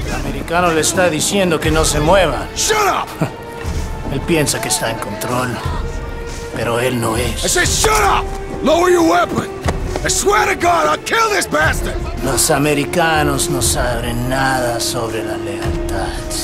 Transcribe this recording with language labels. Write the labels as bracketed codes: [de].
[es] El americano le está diciendo que no se mueva. [en] Shut up! [es] Él piensa que está en control, pero él no es. [en] I said shut up! Lower your weapon! I swear to God, I'll kill this bastard! [es] Los americanos no saben nada sobre la lealtad.